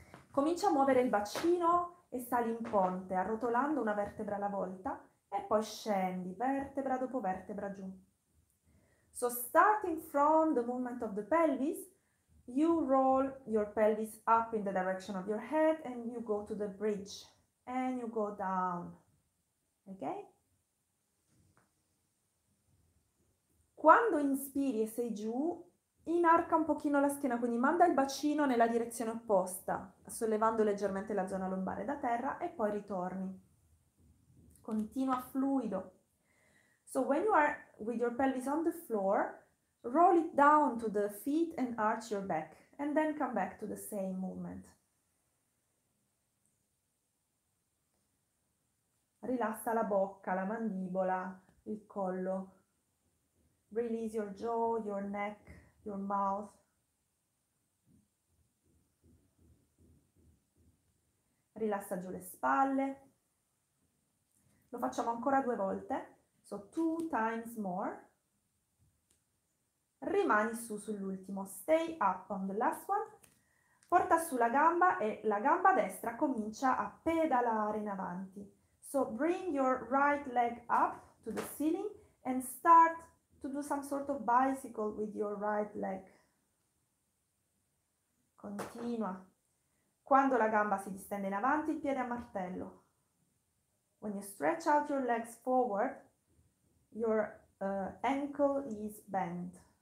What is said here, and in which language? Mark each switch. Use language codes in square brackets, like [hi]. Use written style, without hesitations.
[it] Comincia a muovere il bacino e sali in ponte, arrotolando una vertebra alla volta. E poi scendi, vertebra dopo vertebra giù. [en] So starting from the movement of the pelvis, you roll your pelvis up in the direction of your head and you go to the bridge. And you go down. Okay? [it] Quando inspiri e sei giù, inarca un pochino la schiena, quindi manda il bacino nella direzione opposta, sollevando leggermente la zona lombare da terra e poi ritorni. Continua fluido. [en] So when you are with your pelvis on the floor, roll it down to the feet and arch your back and then come back to the same movement. [it] Rilassa la bocca, la mandibola, il collo. [en] Release your jaw, your neck, your mouth. [it] Rilassa giù le spalle. Lo facciamo ancora due volte. [en] So two times more. [it] Rimani su sull'ultimo. [en] Stay up on the last one. [it] Porta su la gamba e la gamba destra comincia a pedalare in avanti. [en] So bring your right leg up to the ceiling and start to do some sort of bicycle with your right leg. [it] Continua. Quando la gamba si distende in avanti, il piede a martello. [en] When you stretch out your legs forward, your ankle is bent.